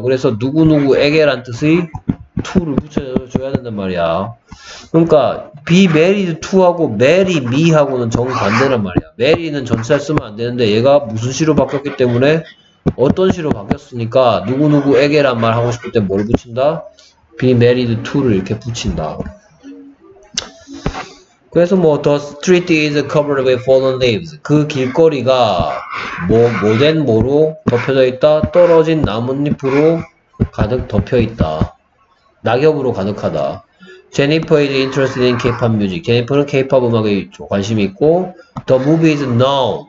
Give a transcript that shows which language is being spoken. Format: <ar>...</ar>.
<ko>그래서 누구누구에게란 뜻의 to를 붙여줘야 된단 말이야. 그러니까</ko> <en>be married to</en> <ko>하고</ko> <en>marry me</en> <ko>하고는 정반대란 말이야. marry는 전체를 쓰면 안 되는데 얘가 무슨 시로 바뀌었기 때문에 어떤 시로 바뀌었으니까 누구누구에게란 말 하고 싶을 때 뭘 붙인다?</ko> <en>be married to</en> <ko>를 이렇게 붙인다. 그래서 뭐</ko> <en>the street is covered with fallen leaves.</en> <ko>그 길거리가 뭐 모든 뭐로 덮여져 있다. 떨어진 나뭇잎으로 가득 덮여 있다. 낙엽으로 가득하다.</ko> <en>Jennifer is interested in K-pop music.</en> <ko>Jennifer는 K-pop 음악에 관심이 있고</ko> <en>the movie is now.</en>